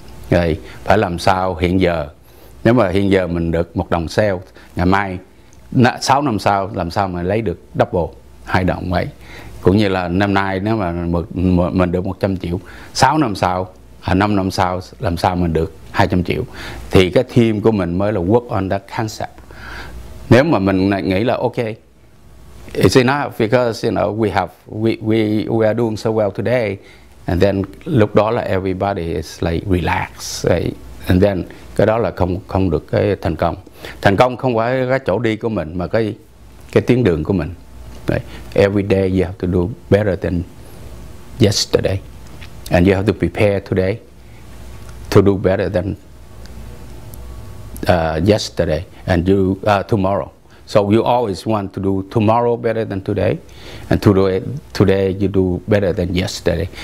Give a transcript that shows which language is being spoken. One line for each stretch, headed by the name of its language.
Vietnamese: Rồi phải làm sao hiện giờ, nếu mà hiện giờ mình được một đồng sale, ngày mai 6 năm sau làm sao mà lấy được double, 2 đồng ấy. Cũng như là năm nay nếu mà mình được 100 triệu, 6 năm sau, 5 năm sau làm sao mình được 200 triệu. Thì cái team của mình mới là
English: work on that concept.
Vietnamese: Nếu mà mình nghĩ là ok,
English: it's enough because you know we are doing so well today. And then
Vietnamese: lúc đó là
English: everybody is like relaxed. Right? And then
Vietnamese: cái đó là không được cái thành công. Thành công không phải cái chỗ đi của mình mà cái tiến đường của mình.
English: Right? Every day you have to do better than yesterday. And you have to prepare today to do better than yesterday and do tomorrow. So you always want to do tomorrow better than today, and to do it today you do better than yesterday.